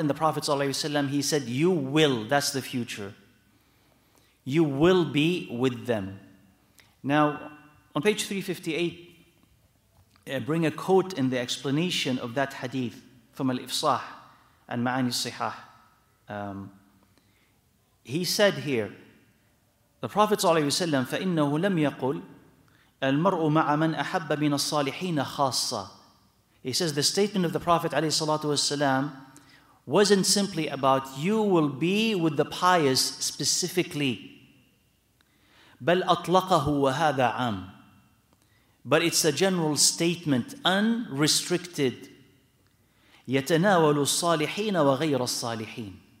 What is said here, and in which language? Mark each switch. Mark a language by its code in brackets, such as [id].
[en] And the Prophet ﷺ, he said, you will, that's the future. You will be with them. Now, on page 358, I bring a quote in the explanation of that hadith from Al-Ifsah and Ma'ani Sihah. He said here, the Prophet ﷺ, [ar] فَإِنَّهُ لَمْ يَقُلْ المرء مع من أحب من الصالحين خاصة. [en] He says the statement of the Prophet عليه الصلاة والسلام wasn't simply about you will be with the pious specifically. [ar] بل أطلقه وهذا عام. [en] But it's a general statement, unrestricted. [ar] يتناول الصالحين وغير الصالحين.